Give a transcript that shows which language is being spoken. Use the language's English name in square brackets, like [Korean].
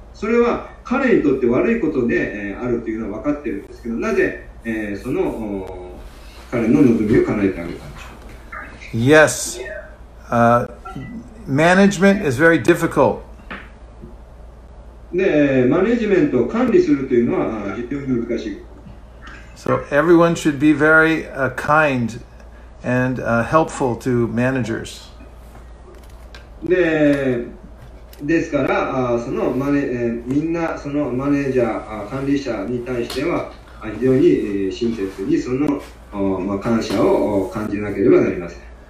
[Japanese] それは彼にとって悪いことであるというのは分かっているんですけど、なぜ、その彼の望みを叶えてあげたんでしょうか。 [English] Yes. Management is very difficult. [Japanese] で、マネジメントを管理するというのは非常に難しい。 [English] So everyone should be very kind and helpful to managers. [Japanese] で、ですから、そのマネ、みんなそのマネージャー、管理者に対しては非常に親切にその、まあ、感謝を感じなければなりません。